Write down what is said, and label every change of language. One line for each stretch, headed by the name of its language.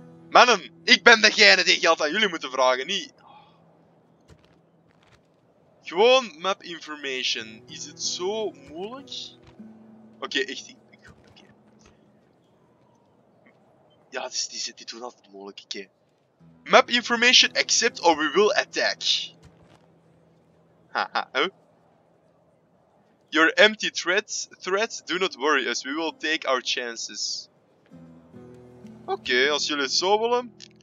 Dutch: Mannen, ik ben degene die geld aan jullie moeten vragen, niet. Gewoon map information. Is het zo moeilijk? Oké, echt. Okay. Ja, die doen altijd moeilijk. Oké. Okay.
English: Map information accept or we will attack. Haha, huh? Your empty threats, do not worry us, we will take our chances.
Dutch: Oké, als jullie het zo willen.